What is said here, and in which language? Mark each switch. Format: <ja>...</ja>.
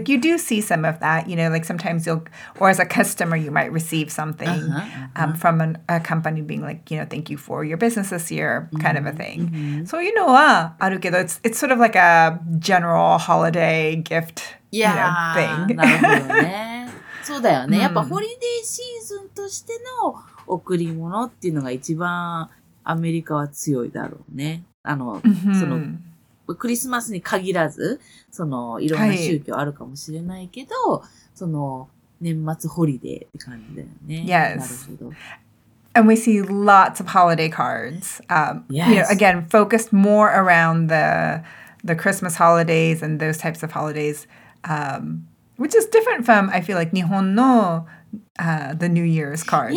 <en>Like you do see some of that, you know, like sometimes you'll, or as a customer, you might receive something from a company being like, you know, thank you for your business this year, kind of a thing. So, you know,</en> <ja>arukedo,</ja> <en>it's sort of like a general holiday gift, yeah, you know, thing.</en> <ja>そうだよね。やっぱホリデーシーズンとしての贈り物っていうのが一番アメリカは強いだろうね。あの、そのクリスマスに限らず、その、いろんな宗教あるかもしれないけど、その、年末ホリデーって感じだよね。</ja> <en>Yes.</en> <ja>なるほど。</ja> <en>And we see lots of holiday cards. Yes. You know, again, focused more around the Christmas holidays and those types of holidays, which is different from, I feel like,</en> <ja>日本の</ja> <en>the New Year's cards.</en>